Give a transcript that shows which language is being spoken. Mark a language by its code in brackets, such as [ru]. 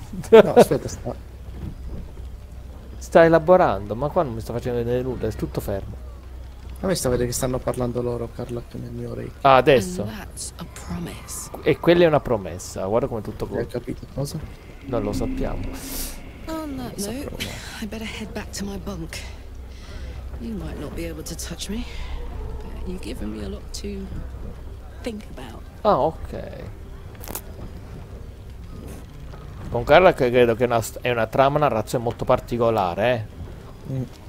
[it] No, aspetta, sta elaborando, ma qua non mi sta facendo vedere nulla, è tutto fermo. A me sta vedendo che stanno parlando loro, Carla, nel mio orecchio. Ah, adesso. E quella è una promessa, guarda come tutto corre. Hai capito cosa? Non lo sappiamo. [en] On that note, I better head back to my bunk. You might not be able to touch me, but you've given me a lot to think about. [it] Ah, ok. Con Carla credo che è una trama narrazione molto particolare, eh?